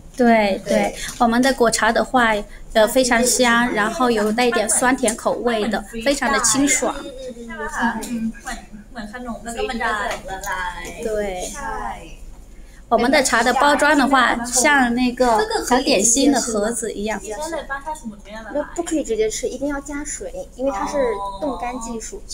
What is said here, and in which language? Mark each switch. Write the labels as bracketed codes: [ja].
[th] ด้วยๆ [zh] 我们的果茶的话非常香然后有带点酸甜口味的非常的清爽 [th] ใช่ค่ะเหมือนขนมแล้วก็มันจะ ละลาย ด้วย ใช่ [zh] 我们的茶的包装的话像那个小点心的盒子一样那不可以直接吃一定要加水因为它是冻干技术